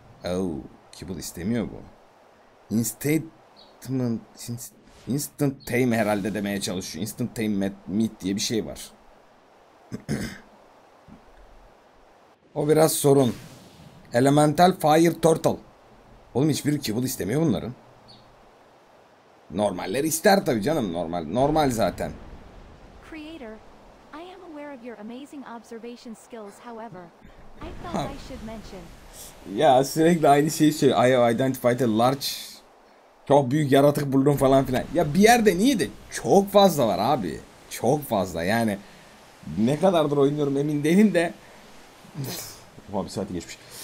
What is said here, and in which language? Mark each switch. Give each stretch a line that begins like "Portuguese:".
Turkish: Oh, Kibble istemiyor bu. Instant Tame herhalde demeye çalışıyor. Instant Tame Meat diye bir şey var. O biraz sorun. Elemental Fire Turtle. Oğlum hiçbir Kibble istemiyor bunların. Normaller ister tabii canım. Normal zaten.
English: Creator, I am aware of your amazing observation skills. However, I thought I should mention.
Turkish: Ya sürekli aynı şeyi söylüyor.
English: I have identified a large...
Turkish: Çok büyük yaratık buldum falan filan. Ya bir yerde neydi? Çok fazla var abi. Çok fazla yani. Ne kadardır oynuyorum emin değilim de. Ufak bir saati geçmiş.